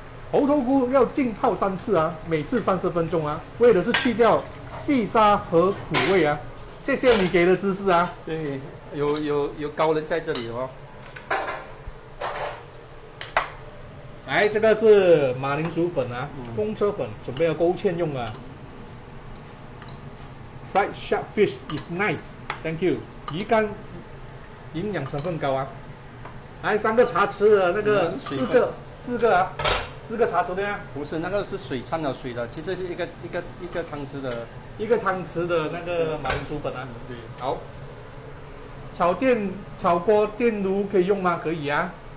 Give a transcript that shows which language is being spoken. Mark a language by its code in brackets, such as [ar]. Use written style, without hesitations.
[zh] 猴头菇要浸泡三次啊，每次三十分钟啊，为的是去掉细沙和苦味啊。谢谢你给的知识啊。对，有高人在这里哦。来，这个是马铃薯粉啊，公车粉，准备要勾芡用啊。 [en] Fried shark fish is nice. [zh] Thank you. 鱼肝营养成分高啊。来，三个茶匙的那个四个啊，四个茶匙的呀、啊。不是，那个是水掺了水的，其实是一个汤匙的。一个汤匙的那个马铃薯粉啊。对。好。炒锅电炉可以用吗？可以啊。